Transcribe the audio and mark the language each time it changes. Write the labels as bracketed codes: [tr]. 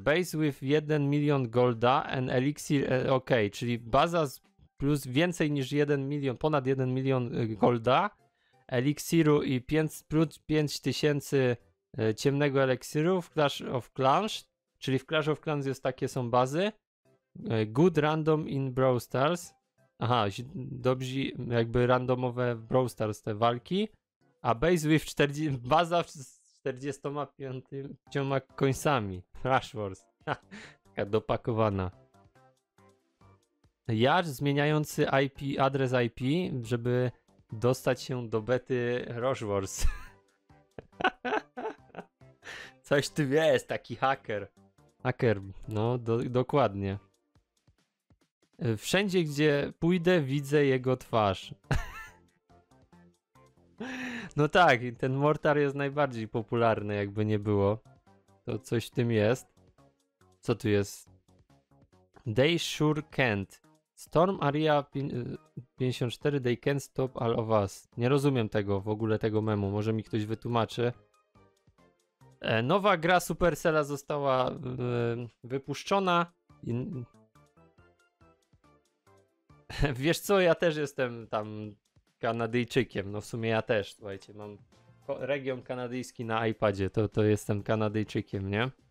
[en] Base with 1 milion golda and elixir... [pl] Okej, czyli baza z plus więcej niż 1 milion, ponad 1 milion golda, elixiru i plus 5000 ciemnego elixiru w Clash of Clans, czyli w Clash of Clans jest takie są bazy. [en] Good random in Brawl Stars. [pl] Aha, dobrzy jakby randomowe w Brawl Stars te walki. [en] A base with 40, [pl] baza z 45 końcami. Rush Wars. Taka dopakowana. Jarz zmieniający IP, adres IP, żeby dostać się do bety Rush Wars. Coś ty jest, taki haker. Haker, no dokładnie. Wszędzie, gdzie pójdę, widzę jego twarz. No tak, ten Mortar jest najbardziej popularny, jakby nie było. To coś w tym jest. Co tu jest? [en] They sure can't. Storm Area 54, they can't stop all of us. [pl] Nie rozumiem tego, w ogóle tego memu. Może mi ktoś wytłumaczy. Nowa gra Supercella została wypuszczona. Wiesz co, ja też jestem tam Kanadyjczykiem, no w sumie ja też, słuchajcie, mam region kanadyjski na iPadzie, to jestem Kanadyjczykiem, nie?